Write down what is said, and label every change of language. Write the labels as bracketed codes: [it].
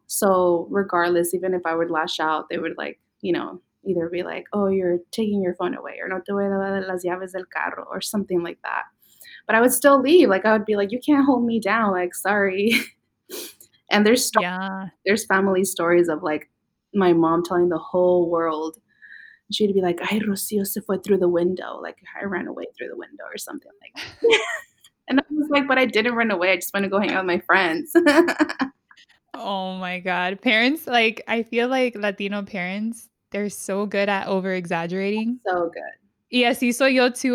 [en] So regardless, even if I would lash out, they would, like, you know, either be like, oh, you're taking your phone away, or [es] no te voy a dar las llaves del carro, [en] or something like that. But I would still leave. Like, I would be like, you can't hold me down. Like, sorry. And there's family stories of, like, my mom telling the whole world. She'd be like, [es] ay, Rocío se fue [en] through the window. Like, I ran away through the window or something like that. And I was like, but I didn't run away. I just want to go hang out with my friends. Oh, my God. Parents, like, I feel like Latino parents, they're so good at over-exaggerating. So good. Yeah, [es] sí soy yo [en] too.